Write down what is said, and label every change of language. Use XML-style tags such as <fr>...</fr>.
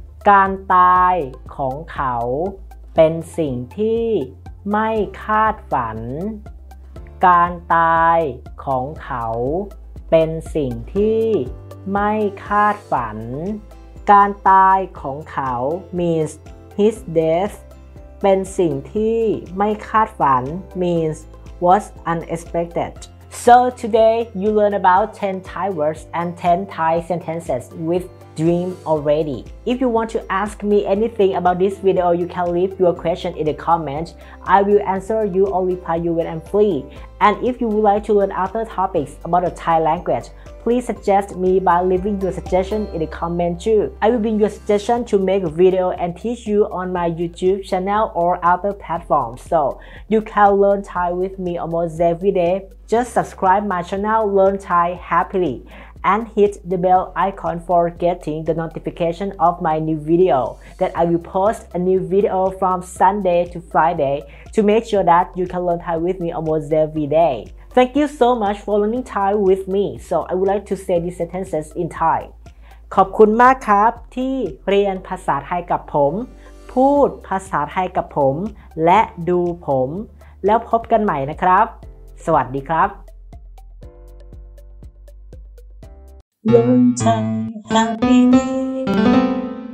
<th>การตายของเขาเป็นสิ่งที่ไม่คาดฝันการตายของเขาเป็นสิ่งที่ไม่คาดฝันการตายของเขา</th> <en>means his death</en> <th>เป็นสิ่งที่ไม่คาดฝัน</th> <en>means was unexpected So today you learn about 10 Thai words and 10 Thai sentences withDream already. If you want to ask me anything about this video, you can leave your question in the comment. I will answer you or reply you when I'm free. And if you would like to learn other topics about the Thai language, please suggest me by leaving your suggestion in the comment too. I will bring your suggestion to make a video and teach you on my YouTube channel or other platforms. So you can learn Thai with me almost every day. Just subscribe my channel, Learn Thai Happily. And hit the bell icon for getting the notification of my new video that I will post a new video from Sunday to Friday to make sure that you can learn Thai with me almost every day. Thank you so much for learning Thai with me. So I would like to say these sentences in Thai.</en> <th>ขอบคุณมากครับที่เรียนภาษาไทยกับผมพูดภาษาไทยกับผมและดูผมแล้วพบกันใหม่นะครับสวัสดีครับLearn Thai Happily</th>